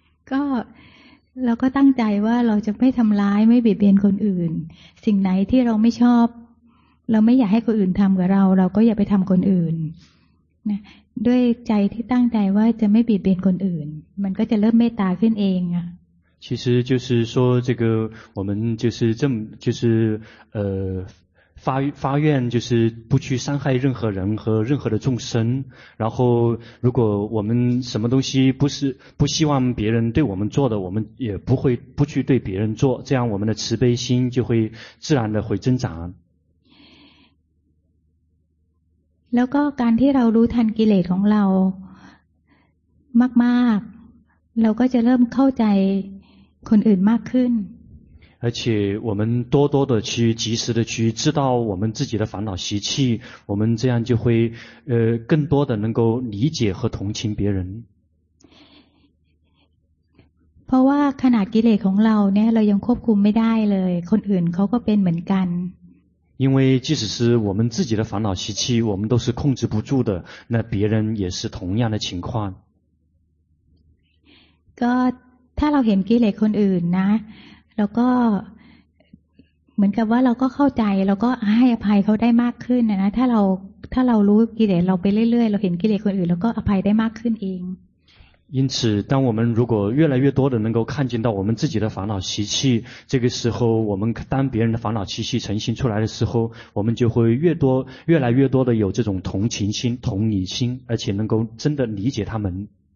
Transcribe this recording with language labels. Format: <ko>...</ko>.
<th>ก็เราก็ตั้งใจว่าเราจะไม่ทำร้ายไม่เบียดเบียนคนอื่นสิ่งไหนที่เราไม่ชอบเราไม่อยากให้คนอื่นทำกับเราเราก็อย่าไปทำคนอื่นด้วยใจที่ตั้งใจว่าจะไม่บีบเบียนคนอื่นมันก็จะเริ่มเมตตาขึ้นเองอ่ะ</th> <zh>其实就是说这个我们就是这么就是发愿就是不去伤害任何人和任何的众生然后如果我们什么东西不希望别人对我们做的我们也不会不去对别人做这样我们的慈悲心就会自然的会增长</zh> <th>แล้วก็การที่เรารู้ทันกิเลสของเรามากมากเราก็จะเริ่มเข้าใจคนอื่นมากขึ้น</th> <zh>而且我们多多的去及时的去知道我们自己的烦恼习气我们这样就会更多的能够理解和同情别人</zh> <th>เพราะว่าขนาดกิเลสของเราเนี่ยเรายังควบคุมไม่ได้เลยคนอื่นเขาก็เป็นเหมือนกัน</th> <zh>因为即使是我们自己的烦恼习气我们都是控制不住的那别人也是同样的情况</zh> <th>ก็ถ้าเราเห็นกิเลสคนอื่นนะแล้วก็เหมือนกับว่าเราก็เข้าใจแล้วก็ให้อภัยเขาได้มากขึ้นนะถ้าเรารู้กิเลสเราไปเรื่อยๆเราเห็นกิเลสคนอื่นแล้วก็อภัยได้มากขึ้นเอง</th> <zh>因此当我们如果越来越多的能够看见到我们自己的烦恼习气这个时候我们当别人的烦恼习气呈现出来的时候我们就会越来越多的有这种同情心同理心而且能够真的理解他们</zh>